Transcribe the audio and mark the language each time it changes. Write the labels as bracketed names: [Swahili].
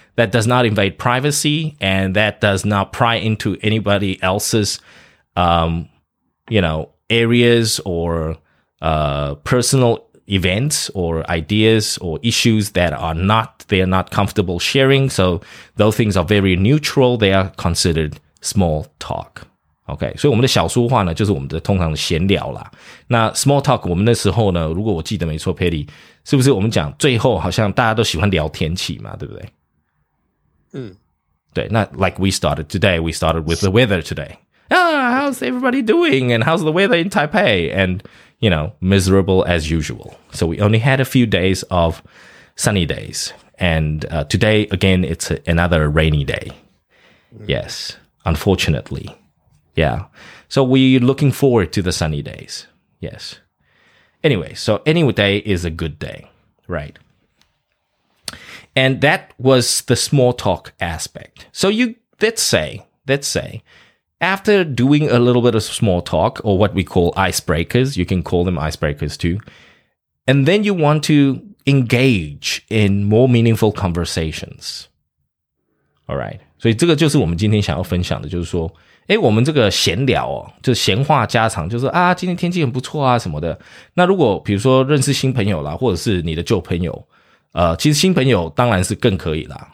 [English] that does not invade privacy and that does not pry into anybody else's, you know, areas or personal events or ideas or issues that are not, they are not comfortable sharing. So those things are very neutral. They are considered small talk. [Chinese] OK, 所以我们的小说话呢就是我们的通常的闲聊啦。那 small talk 我们那时候呢，如果我记得没错 Patty, 是不是我们讲最后好像大家都喜欢聊天气嘛，对不对？嗯， [English] 对，那 like we started today, we started with the weather today. Ah, how's everybody doing? And how's the weather in Taipei? And, you know, miserable as usual. So we only had a few days of sunny days. And today, again, it's another rainy day. Yes, unfortunately. Yeah, so we're looking forward to the sunny days. Yes. Anyway, so any day is a good day, right? And that was the small talk aspect. So you, let's say, after doing a little bit of small talk, or what we call icebreakers, you can call them icebreakers too, and then you want to engage in more meaningful conversations. All right. [Chinese] 所以这个就是我们今天想要分享的，就是说诶，我们这个闲聊哦，就是闲话家常，就是啊，今天天气很不错啊什么的。那如果比如说认识新朋友啦，或者是你的旧朋友，其实新朋友当然是更可以啦。